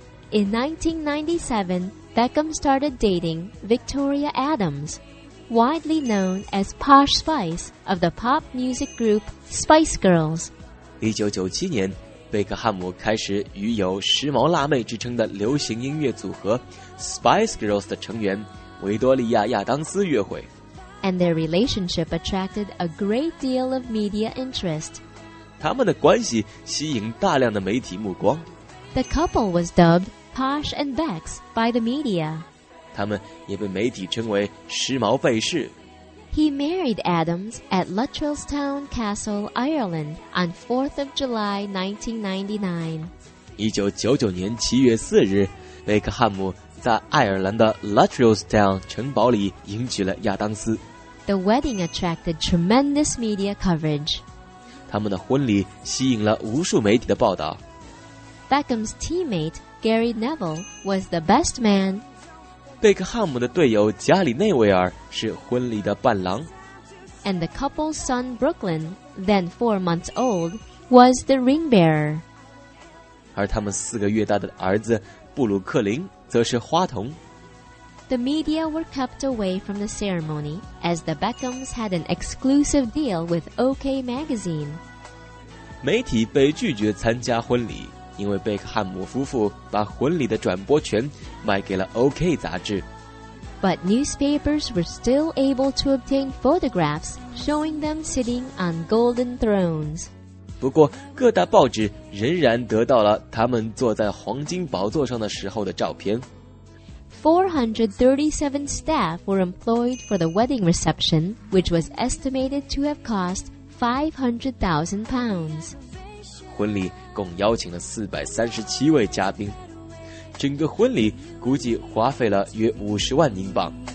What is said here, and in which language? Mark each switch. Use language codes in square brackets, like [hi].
[en] In 1997, Beckham started dating Victoria Adams, widely known as Posh Spice of the pop music group Spice Girls. [zh] 1997年。贝克汉姆开始与有“时髦辣妹”之称的流行音乐组合 Spice Girls 的成员维多利亚·亚当斯约会。 [en] And their relationship attracted a great deal of media interest. [zh] 他们的关系吸引大量的媒体目光。 [en] The couple was dubbed Posh and Bex by the media. [zh] 他们也被媒体称为“时髦贝氏”。 [en] He married Adams at Luttrellstown Castle, Ireland on 4th of July 1999. [zh] 1999年7月4日，贝克汉姆在爱尔兰的 Luttrellstown 城堡里迎娶了亚当斯。 [en] The wedding attracted tremendous media coverage. [zh] 他们的婚礼吸引了无数媒体的报道。 [en] Beckham's teammate, Gary Neville, was the best man. [zh] 贝克汉姆的队友加里内维尔是婚礼的伴郎。 [en] And the couple's son Brooklyn, then 4 months old, was the ring bearer. [zh] 而他们四个月大的儿子布鲁克林则是花童。 [en] The media were kept away from the ceremony as the Beckhams had an exclusive deal with OK magazine. [zh] 媒体被拒绝参加婚礼，因为贝克汉姆夫妇把婚礼的转播权卖给了 OK 杂志。 [en] But newspapers were still able to obtain photographs showing them sitting on golden thrones. [zh] 不过，各大报纸仍然得到了他们坐在黄金宝座上的时候的照片。 [en] 437 staff were employed for the wedding reception, which was estimated to have cost £500,000. [zh] 婚礼共邀请了437位嘉宾，整个婚礼估计花费了约50万英镑。